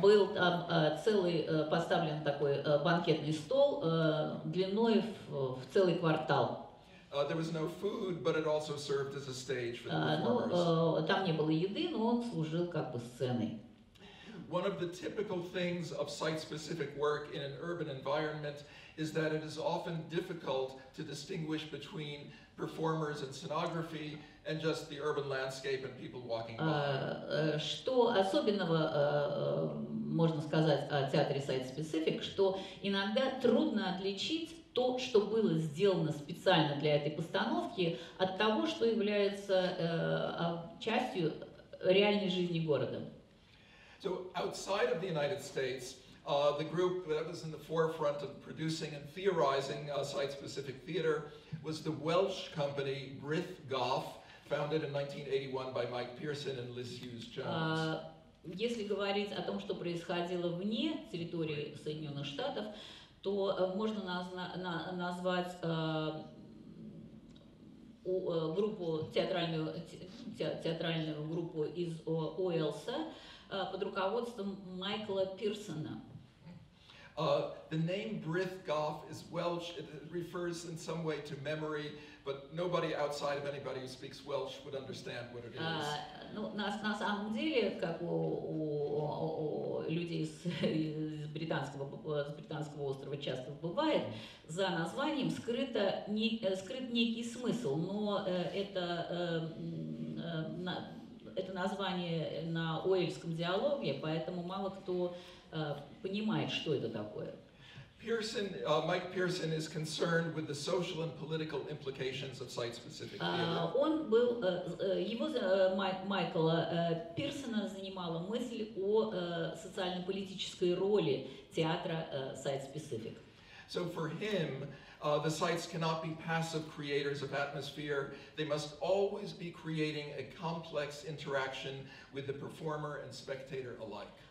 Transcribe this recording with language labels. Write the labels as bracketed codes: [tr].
[ru] Был там целый поставлен такой банкетный стол длиной в целый квартал. [en] There was no food, but it also served as a stage for the performers. [ru] Там не было еды, но он служил как бы сценой. [en] One of the typical things of site-specific work in an urban environment is that it is often difficult to distinguish between performers and scenography and just the urban landscape and people walking by. [ru] Что особенного можно сказать о театре site-specific, что иногда трудно отличить то, что было сделано специально для этой постановки, от того, что является частью реальной жизни города. [en] So outside of the United States, the group that was in the forefront of producing and theorizing site-specific theater was the Welsh company Brith Goff, founded in 1981 by Mike Pearson and Liz Hughes-Jones. [ru] Если говорить о том, что происходило вне территории Соединенных Штатов, то можно назвать группу театральную группу из Уэльса под руководством Майкла Пирсона. [en] The name Brith Goff is Welsh. It refers in some way to memory, but nobody outside of anybody who speaks Welsh would understand what it is. [ru] На самом деле, как у людей из британского острова часто бывает, за названием скрыт некий смысл, но это название на уэльском диалоге, поэтому мало кто понимает, что это такое. [en] Mike Pearson is concerned with the social and political implications of site-specific theater. [ru] Он был, его, Майкла Пирсона занимала мысль о социально-политической роли театра site-specific. [en] So for him, the sites cannot be passive creators of atmosphere. They must always be creating a complex interaction with the performer and spectator alike.